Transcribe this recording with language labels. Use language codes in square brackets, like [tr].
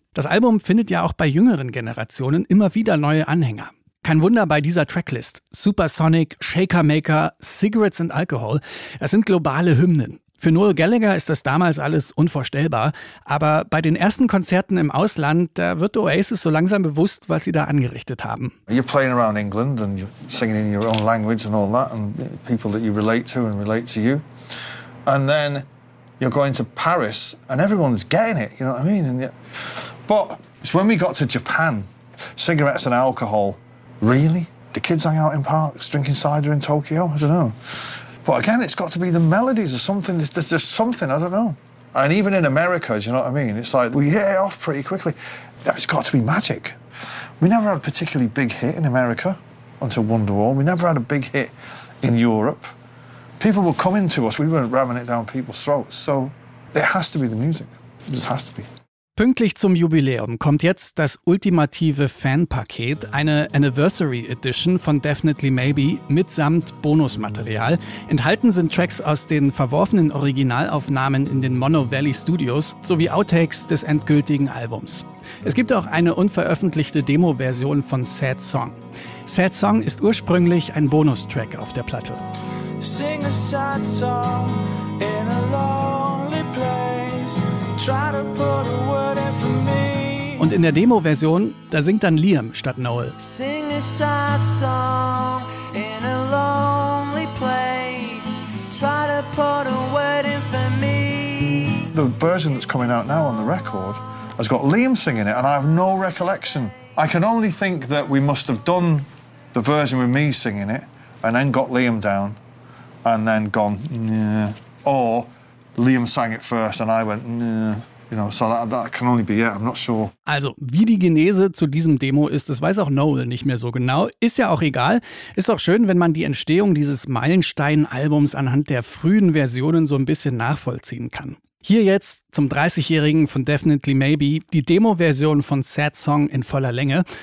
[de] Das Album findet ja auch bei jüngeren Generationen immer wieder neue Anhänger. Kein Wunder bei dieser Tracklist. Supersonic, Shaker Maker, Cigarettes and Alcohol. Das sind globale Hymnen. Für Noel Gallagher ist das damals alles unvorstellbar. Aber bei den ersten Konzerten im Ausland, da wird Oasis so langsam bewusst, was sie da angerichtet haben. [en] You're playing around England and you're singing in your own language and all that. And people that you relate to and relate to you. And then you're going to Paris and everyone's getting it. You know what I mean? And yet, but it's when we got to Japan, Cigarettes and Alcohol. Really? The kids hang out in parks drinking cider in Tokyo? I don't know. But again, it's got to be the melodies or something. There's just something, I don't know. And even in America, do you know what I mean? It's like, we hit it off pretty quickly. It's got to be magic. We never had a particularly big hit in America until Wonderwall. We never had a big hit in Europe. People were coming to us. We weren't ramming it down people's throats. So it has to be the music. It just has to be. [de] Pünktlich zum Jubiläum kommt jetzt das ultimative Fan-Paket, eine Anniversary Edition von Definitely Maybe mitsamt Bonusmaterial. Enthalten sind Tracks aus den verworfenen Originalaufnahmen in den Mono Valley Studios sowie Outtakes des endgültigen Albums. Es gibt auch eine unveröffentlichte Demo-Version von Sad Song. Sad Song ist ursprünglich ein Bonustrack auf der Platte. [en] Sing a sad song in a lonely place. Try to put a word in for me. [de] Und in der Demo-Version, da singt dann Liam statt Noel. [en] Sing a sad song in a lonely place. Try to put a word in for me. The version that's coming out now on the record has got Liam singing it and I have no recollection. I can only think that we must have done the version with me singing it and then got Liam down and then gone, nah. Or Liam sang it first and I went, nah. You know, so that can only be it, I'm not sure. [de] Also, wie die Genese zu diesem Demo ist, das weiß auch Noel nicht mehr so genau. Ist ja auch egal. Ist auch schön, wenn man die Entstehung dieses Meilenstein-Albums anhand der frühen Versionen so ein bisschen nachvollziehen kann. Hier jetzt zum 30-Jährigen von Definitely Maybe die Demo-Version von Sad Song in voller Länge.